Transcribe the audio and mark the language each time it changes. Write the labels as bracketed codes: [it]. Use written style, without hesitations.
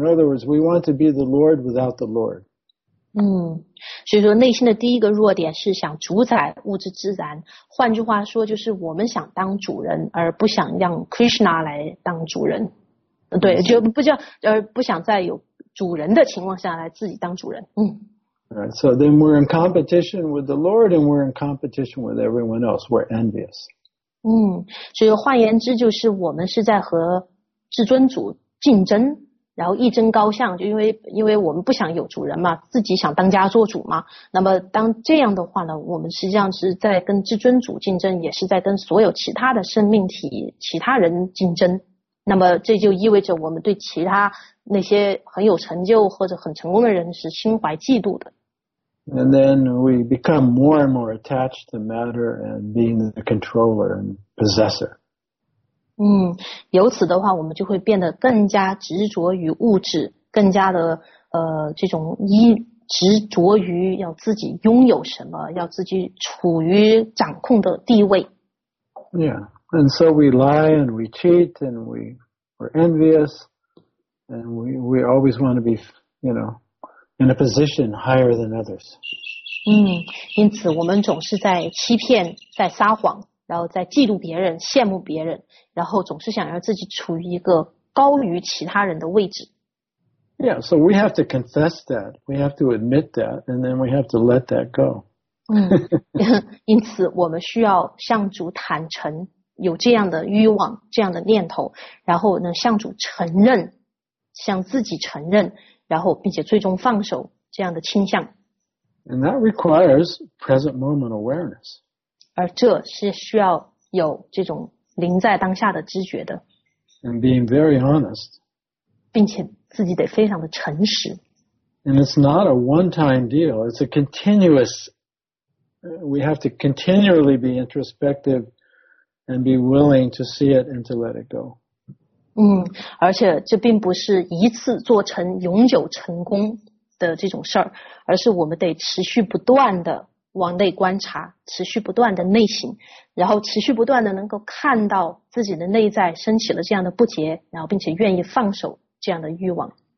[en] In other words, we want to be the Lord without the Lord. [zh] 所以说内心的第一个弱点是想主宰物质自然，换句话说就是我们想当主人而不想让 Krishna 来当主人。对，就不叫而不想在有主人的情况下来自己当主人。 [en] Right, so then we're in competition with the Lord, and we're in competition with everyone else. We're envious. [zh] 所以换言之，就是我们是在和至尊主竞争，然后一争高下。就因为我们不想有主人嘛，自己想当家做主嘛。那么当这样的话呢，我们实际上是在跟至尊主竞争，也是在跟所有其他的生命体、其他人竞争。那么这就意味着我们对其他那些很有成就或者很成功的人是心怀嫉妒的。 [en] And then we become more and more attached to matter and being the controller and possessor. [zh] 由此的话我们就会变得更加执着于物质，更加的这种执着于要自己拥有什么，要自己处于掌控的地位。 [en] Yeah. And so we lie and we cheat and we're envious and we always want to be, you know, in a position higher than others. [zh] 因此我们总是在欺骗，在撒谎，然后在嫉妒别人，羡慕别人，然后总是想让自己处于一个高于其他人的位置。 [en] Yeah, so we have to confess that. We have to admit that and then we have to let that go. [zh] 因此我们需要向主坦诚。有这样的欲望，这样的念头，然后呢，向主承认向自己承认，然后并且最终放手这样的倾向。 [en] And that requires present moment awareness. [zh] 而这是需要有这种临在当下的知觉的。 [en] And being very honest. [zh] 并且自己得非常的诚实。 [en] And it's not a one-time deal. It's a continuous. We have to continually be introspective and be willing to see it and to let it go. [zh] 嗯，而且这并不是一次做成永久成功的这种事儿，而是我们得持续不断的往内观察，持续不断的内省，然后持续不断的能够看到自己的内在升起了这样的不解，然后并且愿意放手这样的欲望。